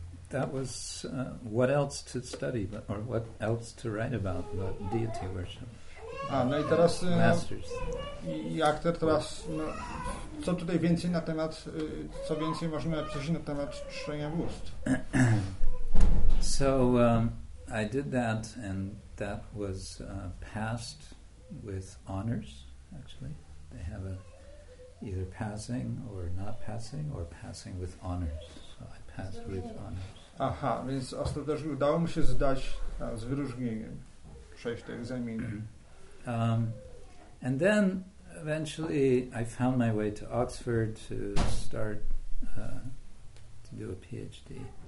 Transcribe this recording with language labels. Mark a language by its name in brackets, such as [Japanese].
[English] that was what else to study but, or what else to write about but deity worship. [Polish] A, no i teraz co tutaj więcej na temat, co więcej możemy napisać na temat czczenia bóstw. [English] So I did that, and that was passed with honors, actually. They have either passing or not passing, or passing with honors. So I passed with honors. [Polish] Aha, więc ostatecznie udało mi się zdać z wyróżnieniem, przejść te egzaminy. [English] And then eventually I found my way to Oxford to start to do a PhD.